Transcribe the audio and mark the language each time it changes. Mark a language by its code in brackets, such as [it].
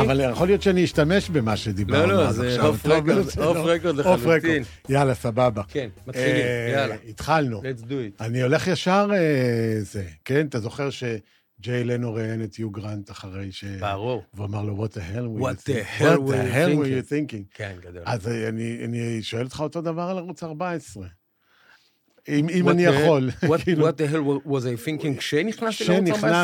[he] אבל יכול להיות שאני אשתמש במה שדיברנו. לא, זה אוף רקורד, אוף רקורד לחלוטין. אוף רקורד. יאללה, סבבה. כן, מתחילים, יאללה. התחלנו. [en] Let's do it. [he] אני הולך ישר זה, כן? אתה זוכר ש... ג'יי לנו ראיין את יו גרנט אחרי ש... ברור. [en] ואמר לו, what the hell were you thinking? What the hell were you thinking? [he] כן, גדול. אז אני שואל אותך אותו דבר על ערוץ 14. אם אני יכול. [en] What the hell was I thinking [he] כשנכנסת לערוץ 14?